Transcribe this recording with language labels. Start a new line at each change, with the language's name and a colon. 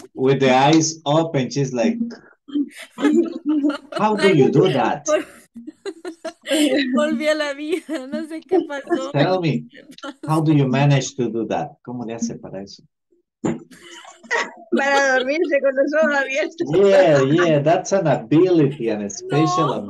English: With the eyes open, she's like, how do you do that?
Spanish: Volví a la vida, no sé qué pasó.
English: Tell me, how do you manage to do that?
Spanish: ¿Cómo le hace para eso? Para dormirse con los ojos abiertos.
English: Yeah, yeah, that's an ability, an special no.